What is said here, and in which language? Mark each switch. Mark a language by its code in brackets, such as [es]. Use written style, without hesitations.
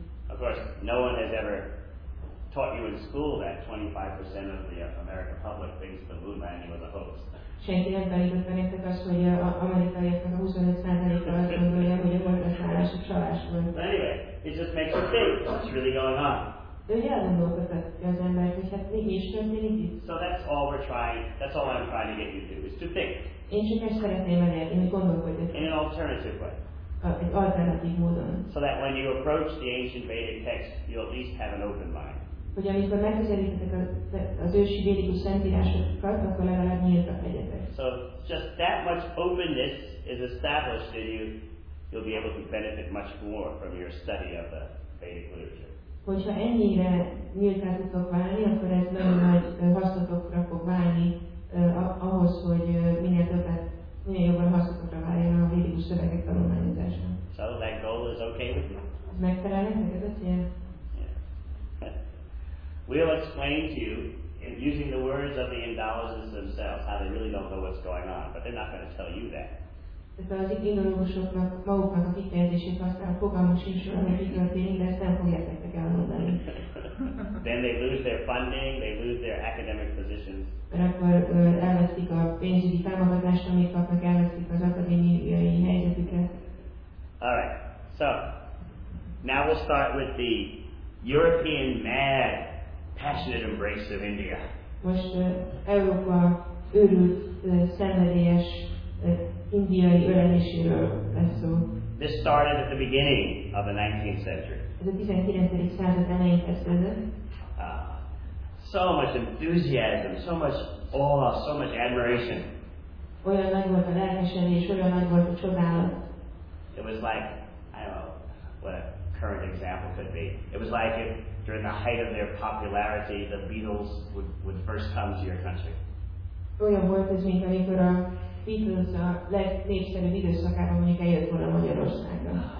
[en] Of course, no one has ever taught you in school that 25% of the American public thinks the moon landing was a hoax. [hu] Senki nem tanította nektek azt, hogy az amerikaiaknak a 25%-a azt gondolja, hogy a holdraszállás egy csalás volt. [en] Anyway, it just makes you think what's really going on. [hu] De hogy elgondolkodtatja az embert, hogy hát mégis történik itt? [en] So that's all we're trying, that's all I'm trying to get you to do, is to think. [hu] Én csak ezt szeretném elérni, hogy gondolkodjatok. [en] In an alternative way. [hu] Egy alternatív módon. [en] So that when you approach the ancient Vedic text, you'll at least have an open mind. [hu] Hogy amikor megközelítetek az ősi védikus szentírásokat, akkor legalább nyíltak legyetek. [en] So just that much openness is established in you, you'll be able to benefit much more from your study of the Vedic literature. [hu] Hogyha ennyire nyíltá tudok válni, akkor ez nagyon nagy hasznotokra fog válni ahhoz, hogy minél többet, minél jobban hasznotokra váljon a védikus szövegek tanulmányozása. [en] So that goal is okay with you. [hu] Ez megfelel nektek, ez a cél? [en] Yeah. We'll explain to you, using the words of the indologists themselves, how they really don't know what's going on, but they're not going to tell you that. [hu] Tehát az indológusoknak maguknak a kifejezését használ, fogalmuk sincs, hogy mi történik, de ezt nem fogják nektek elmondani. [en] Then they lose their funding, they lose their academic positions. [hu] Akkor elvesztik a pénzügyi támogatást, amit kapnak, elvesztik az akadémiai helyzetüket. [en] Alright, so now we'll start with the European mad, passionate embrace of India. [hu] Most Európa őrült, szenvedélyes, indiai öleméséről lesz szó. [en] This started at the beginning of the 19th century. [hu] Ez a 19. század elején kezdődött. [en] So much enthusiasm, so much awe, so much admiration. [hu] Olyan nagy volt a lelkesedés, olyan nagy volt a csodálat. [en] It was like, I don't know what a current example could be. It was like if during the height of their popularity, the Beatles would first come to your country. [hu] Olyan volt ez, mint amikor a Beatles a legnépszerűbb időszakában mondjuk eljött volna Magyarországra.